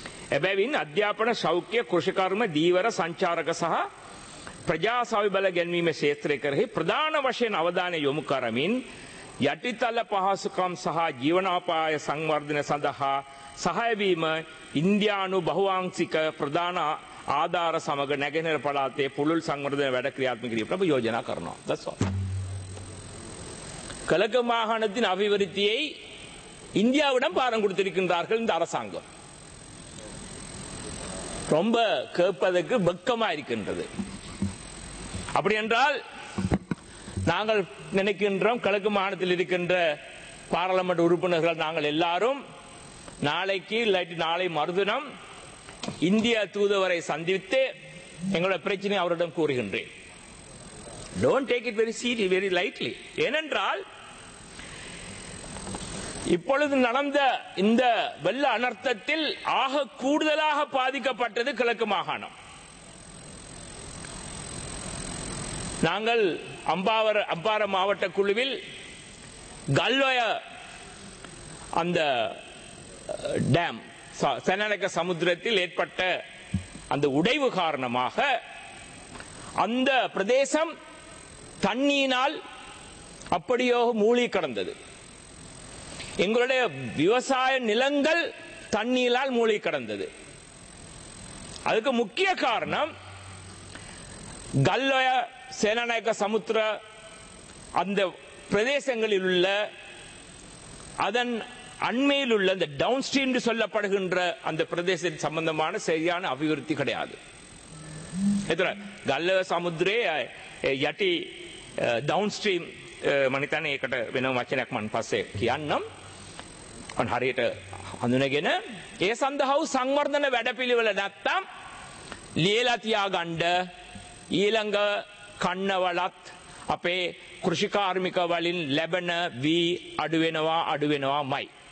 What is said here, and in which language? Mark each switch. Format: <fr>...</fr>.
<si>එබැවින් අධ්‍යාපන සෞඛ්‍ය කෘෂිකර්ම දීවර සංචාරක සහ ප්‍රජා සෞවිබල ගැන්වීම ක්ෂේත්‍රය කරෙහි ප්‍රධාන වශයෙන් අවධානය යොමු කරමින් යටිතල පහසුකම් සහ ජීවනෝපාය සංවර්ධන සඳහා සහාය වීම ඉන්දියානු බහුවාංශික ප්‍රධාන ආධාර සමග නැගෙනහිර පළාතේ පුළුල් සංවර්ධන වැඩ ක්‍රියාත්මක කිරීම ප්‍රයෝජනා කරනවා.</si> <en>That's all.</en> <ta>கிழக்கு மாகாணத்தின் அபிவிருத்தியை இந்தியாவிடம் பாரம் கொடுத்திருக்கின்றார்கள் இந்த அரசாங்கம். ரொம்ப கேட்பதற்கு வெக்கமா இருக்கின்றது. அப்படி என்றால் நாங்கள் நினைக்கின்றோம் கிழக்கு மாகாணத்தில் இருக்கின்ற பாராளுமன்ற உறுப்பினர்கள் நாங்கள் எல்லாரும் நாளைக்கு இல்லாட்டி நாளை மறுதினம் இந்திய தூதுவரை சந்தித்து எங்களுடைய பிரச்சனையை அவரிடம் கூறுகின்றேன்.</ta> <en>Don't take it very seriously, very lightly.</en> <ta>ஏனென்றால் இப்பொழுது நடந்த இந்த வெள்ள அனர்த்தத்தில் ஆக கூடுதலாக பாதிக்கப்பட்டது கிழக்கு மாகாணம். நாங்கள் அம்பார மாவட்ட குழுவில் கல்வய அந்த டேம் சென்னக சமுத்திரத்தில் ஏற்பட்ட அந்த உடைவு காரணமாக அந்த பிரதேசம் தண்ணீரினால் அப்படியோ மூழ்கி கிடந்தது. எங்களுடைய விவசாய நிலங்கள் தண்ணீரால் மூழ்கி கிடந்தது. அதுக்கு முக்கிய காரணம் கல்வய சேனநாயக்க சமுத்திர அந்த பிரதேசங்களில் உள்ள அதன் அண்மையில் உள்ள அந்த டவுன்ஸ்ட்ரீம் சொல்லப்படுகின்ற அந்த பிரதேசம் சம்பந்தமான சரியான அபிவிருத்தி கிடையாது.</ta> <si>கல்வய சமுத்திரே யட்டி ඩවුන්ස්ට්‍රීම් මනිතනය එකට වෙන වචනයක් මන් පස්සේ කියන්නම්. හරියට හඳුනගෙන ඒ සඳහව සංවර්ධන වැඩපිළිවෙල නැත්තම් ලියලා තියාගන්න ඊළඟ කන්නවලත් අපේ කෘෂිකාර්මික වලින් ලැබෙන වී අඩුවෙනවාමයි.</si>